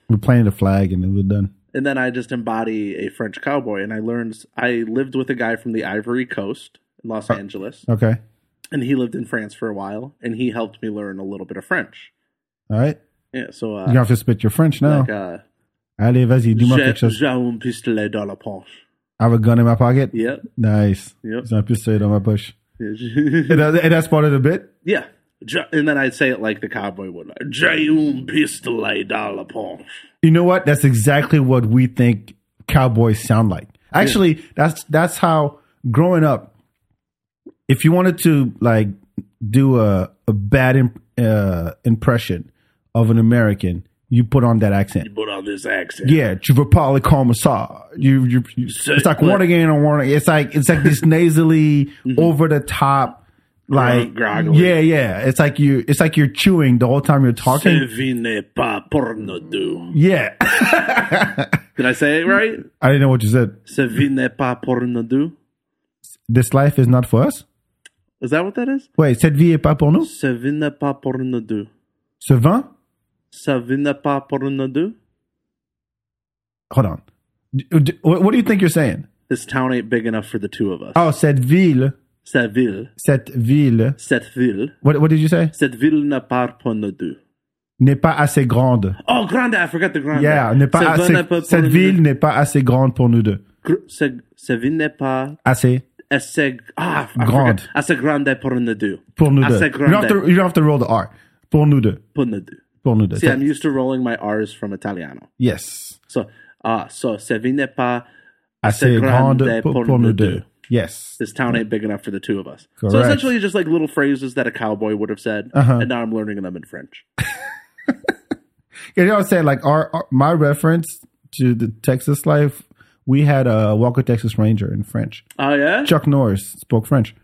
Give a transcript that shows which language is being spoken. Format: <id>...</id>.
<en>We're playing the flag and we're done. And then I just embody a French cowboy. And I lived with a guy from the Ivory Coast in Los Angeles. Okay. And he lived in France for a while. And he helped me learn a little bit of French. All right. Yeah, so. You have to spit your French now. Like,</en> <fr>Allez, vas-y, dis-moi quelque chose. J'ai un pistolet dans la poche.</fr> <en>I have a gun in my pocket? Yep. Nice. Yep.</en> <fr>J'ai un pistolet dans ma poche.</fr> <en>And that's part of the bit? Yeah. And then I'd say it like the cowboy would.</en> <fr>J'ai un pistolet dans la poche.</fr> <en>You know what? That's exactly what we think cowboys sound like. Actually, that's how growing up, if you wanted to like do a bad impression of an American, you put on that accent. You put on this accent. Yeah, you would probably call him a saw. It's like one again or one. It's like this nasally, over the top, like groggly. Yeah, yeah. It's like you. It's like you're chewing the whole time you're talking. Yeah. Did I say it right? I didn't know what you said.</en> <fr>Ce vie n'est pas pour nous deux.</fr> <en>This life is not for us? Is that what that is? Wait,</en> <fr>cette vie n'est pas pour nous? Ce vie n'est pas pour nous deux. Ce vin? Ce vie n'est pas pour nous deux.</fr> <en>Hold on. What do you think you're saying? This town ain't big enough for the two of us.</en> <fr>Oh, cette ville. Cette ville. Cette ville. Cette ville.</fr> <en>What did you say?</en> <fr>Cette ville n'est pas pour nous deux. N'est pas assez grande.</fr> <en>Oh, grande, I forgot the grande.</en> <fr>Yeah, n'est pas assez. Cette ville n'est pas assez grande pour nous deux. Cette ville n'est pas assez grande pour nous deux. Pour nous deux.</fr> <en>You don't have to roll the R.</en> <fr>Pour nous deux. Pour nous deux. Pour nous deux.</fr> <en>See, I'm used to rolling my R's from Italiano. Yes.</en> <fr>So, cette ville n'est pas assez grande pour nous deux.</fr> <en>Yes. This town ain't big enough for the two of us. Correct. So essentially just like little phrases that a cowboy would have said, and now I'm learning them in French. You know what I'm saying? Like my reference to the Texas life, we had a Walker Texas Ranger in French. Oh, yeah? Chuck Norris spoke French.</en>